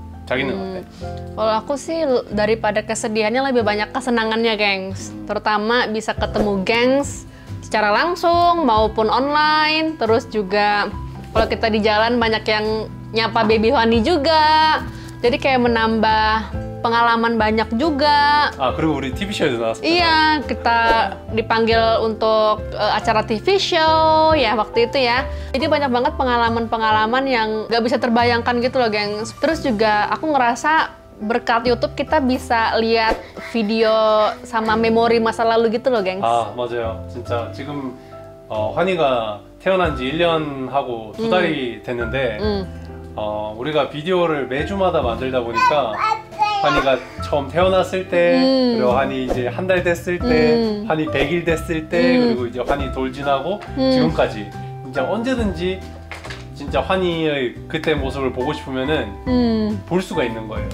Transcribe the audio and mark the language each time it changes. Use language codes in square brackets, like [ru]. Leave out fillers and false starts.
[ko] 그래. 아, 혹시 [id] daripada kesedihannya lebih banyak kesenangannya, gengs. Terutama bisa ketemu gengs secara langsung maupun online, terus juga kalau kita di jalan banyak yang nyapa baby Wani juga. Jadi kayak menambah pengalaman banyak juga. [ko] 아, 그리고 우리 TV show도 나왔어. 이야, [id] kita dipanggil untuk acara TV show ya waktu itu ya. Jadi banyak banget pengalaman-pengalaman yang enggak bisa terbayangkan gitu loh, gengs. Terus juga aku ngerasa berkat YouTube kita bisa lihat video sama memori masa lalu gitu loh, gengs. [ko] 아, 맞아요. 진짜 지금 환희가 태어난 지 1년 하고 두 달이 됐는데 우리가 비디오를 매주마다 만들다 보니까 환희가 처음 태어났을 때, 그리고 환희 이제 한 달 됐을 때, 환희 100일 됐을 때, 그리고 이제 환희 돌 지나고 지금까지 진짜 언제든지 진짜 환희의 그때 모습을 보고 싶으면은 볼 수가 있는 거예요.